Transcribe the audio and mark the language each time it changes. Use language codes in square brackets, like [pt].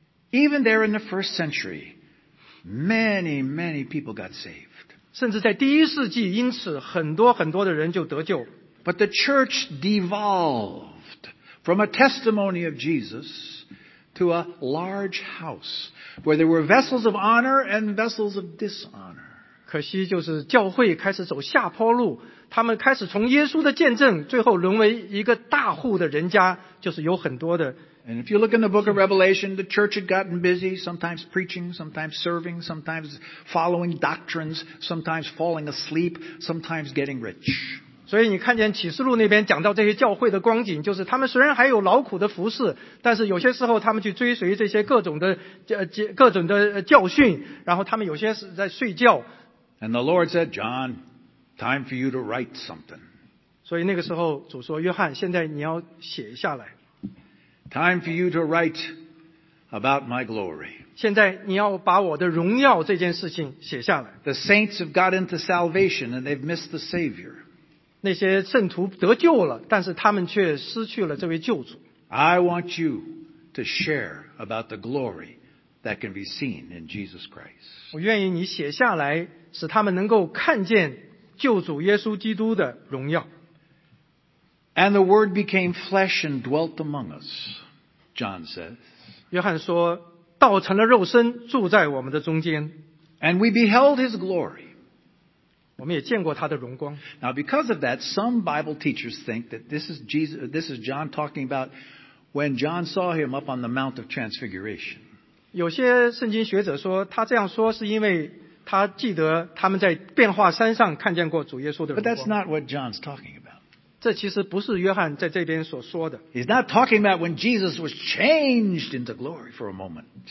[en] Even there in the first century, many, many people got saved. [zh] 甚至在第一世纪, 因此很多很多的人就得救。 [en] But the church devolved from a testimony of Jesus to a large house where there were vessels of honor and vessels of dishonor. [zh] 可惜就是教会开始走下坡路, 他们开始从耶稣的见证, 最后沦为一个大户的人家, 就是有很多的。 [en] And if you look in the book of Revelation, the church had gotten busy, sometimes preaching, sometimes serving, sometimes following doctrines, sometimes falling asleep, sometimes getting rich. [zh] 所以你看见启示录那边讲到这些教会的光景, 就是他们虽然还有劳苦的服侍, 但是有些时候他们去追随这些各种的教训, 然后他们有些是在睡觉。 [en] And the Lord said, John, time for you to write something. [zh] 所以那个时候主说, 约翰, 现在你要写下来。 [en] Time for you to write about my glory. [zh] 现在你要把我的荣耀这件事情写下来。 [en] The saints have got into salvation and they've missed the Savior. [zh] 那些圣徒得救了, 但是他们却失去了这位救主。 [en] I want you to share about the glory that can be seen in Jesus Christ. [zh] 我愿意你写下来, 使他们能够看见救主耶稣基督的荣耀。 [en] And the Word became flesh and dwelt among us. John says, [zh] 约翰说, 道成了肉身, 住在我们的中间, [en] and we beheld his glory. [zh] 我们也见过他的荣光。 [en] Now because of that, some Bible teachers think that this is John talking about when John saw him up on the Mount of Transfiguration. [zh] 有些圣经学者说, 他这样说, 是因为他记得他们在变化山上看见过主耶稣的荣光。 [en] But that's not what John's talking about. [zh] 这其实不是约翰在这边所说的。 [en] He's not talking about when Jesus was changed into glory for a moment.